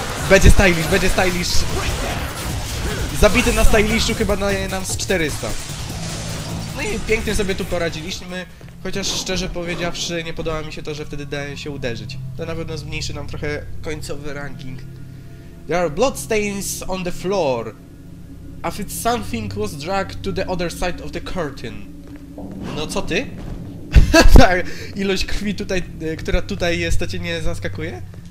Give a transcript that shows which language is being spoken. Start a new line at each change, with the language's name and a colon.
Polish: Będzie stylish! Zabity na stylishu chyba daje nam z 400. No i pięknie sobie tu poradziliśmy. Chociaż szczerze powiedziawszy, nie podoba mi się to, że wtedy daje się uderzyć. To na pewno zmniejszy nam trochę końcowy ranking.
English: There are bloodstains on the floor. As if something was dragged to the other side of the curtain.
Polish: No co ty? Tak, ilość krwi tutaj, która tutaj jest, to cię nie zaskakuje?